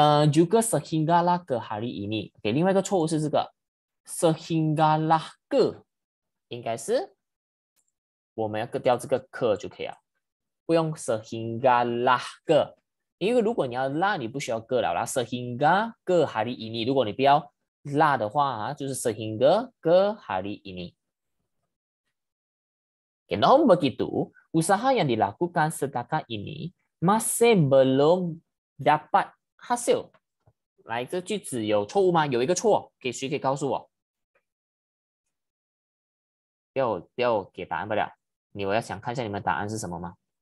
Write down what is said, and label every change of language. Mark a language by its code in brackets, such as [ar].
[ms] juga sehinggalah ke hari ini. [zh] Okay, 另外一个错误是这个 sehinggalah ke 应该是我们要割掉这个 ke 就可以了，不用 sehinggalah ke， 因为如果你要拉，你不需要割了啦。 [ms] sehingga ke hari ini， [zh] 如果你不要拉的话，就是 [ms] sehingga ke hari ini。 [zh] Okay, [ms] namun begitu, usaha yang dilakukan setakat ini masih belum dapat hasil， [zh] 来，这句子有错误吗？有一个错，给谁可以告诉我？不要给答案不了，你我要想看一下你们答案是什么吗？